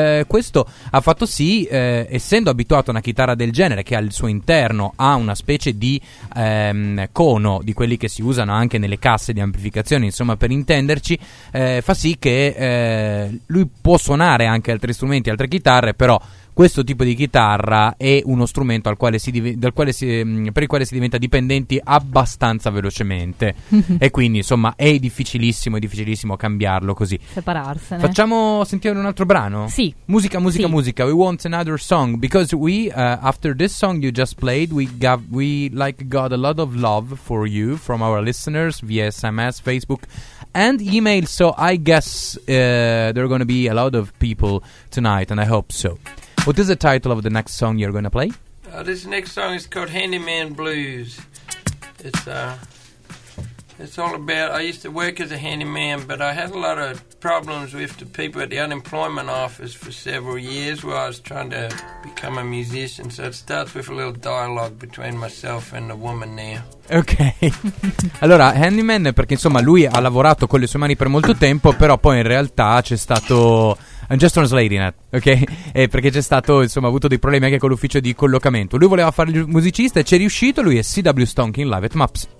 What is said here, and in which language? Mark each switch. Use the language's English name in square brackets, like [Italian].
[Italian] Questo ha fatto sì, essendo abituato a una chitarra del genere che al suo interno ha una specie di cono, di quelli che si usano anche nelle casse di amplificazione, insomma, per intenderci, fa sì che lui può suonare anche altri strumenti, altre chitarre, però questo tipo di chitarra è uno strumento per il quale si diventa dipendenti abbastanza velocemente e quindi, insomma, è difficilissimo cambiarlo così. Separarsene. Facciamo sentire un altro brano? Sì. Musica. [English] We want another song because we after this song you just played, we got a lot of love for you from our listeners via SMS, Facebook and email, so I guess there are going to be a lot of people tonight, and I hope so. What is the title of the next song you're going to play? This next song is called Handyman Blues. It's all about, I used to work as a handyman, but I had a lot of problems with the people at the unemployment office for several years while I was trying to become a musician. So it starts with a little dialogue between myself and the woman there. Ok. [Italian] Allora, handyman, perché insomma lui ha lavorato con le sue mani per molto tempo, però poi in realtà c'è stato [English] I'm just translating it, ok? [Italian] Perché c'è stato, insomma, avuto dei problemi anche con l'ufficio di collocamento. Lui voleva fare il musicista e c'è riuscito. Lui è CW Stonking Live at Mups.